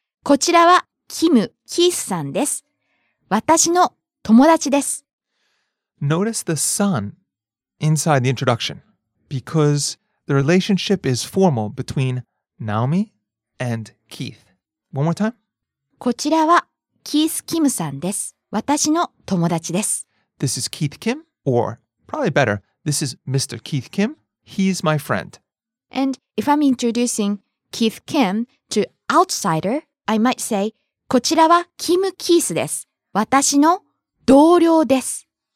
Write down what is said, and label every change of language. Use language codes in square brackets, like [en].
[ja] こちらはキム、キースさんです。私の友達です。 [en] Notice the son inside the introduction, because the relationship is formal between Naomi and Keith. One more time. [ja] こちらはキース・キムさんです。私の友達です。 [en] This is Keith Kim, or probably better, this is Mr. Keith Kim. He's my friend. And if I'm introducing Keith Kim to outsider, I might say, [ja] こちらはキム・キースです。私の同僚です。